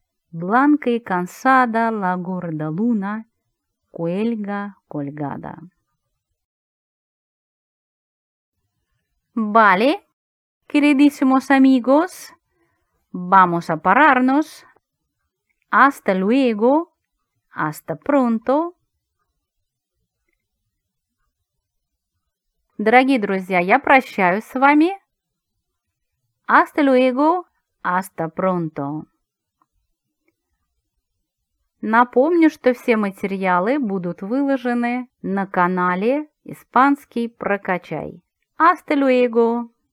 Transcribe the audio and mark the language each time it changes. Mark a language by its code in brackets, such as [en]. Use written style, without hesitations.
[es] Blanca y cansada la gorda luna, cuelga colgada. Vale, queridísimos amigos, vamos a pararnos. Hasta luego, hasta pronto. [ru] Дорогие друзья, я прощаюсь с вами. Hasta luego, hasta pronto. Напомню, что все материалы будут выложены на канале «Испанский прокачай». [es] Hasta luego!